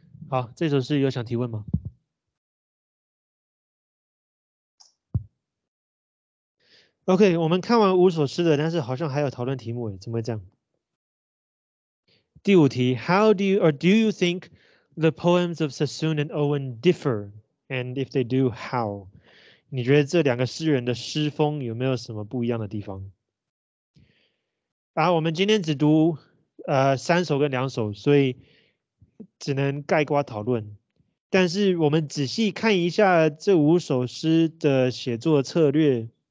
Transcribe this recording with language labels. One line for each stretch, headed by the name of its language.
Chinese: 好，这首诗有想提问吗？ OK， 我们看完五首诗的，但是好像还有讨论题目，怎么会这样？第五题
English: ，How do you or do you think the poems of Sassoon and Owen differ, and if they do, how？
Chinese: 你觉得这两个诗人的诗风有没有什么不一样的地方？我们今天只读三首跟两首，所以只能概括讨论。但是我们仔细看一下这五首诗的写作策略。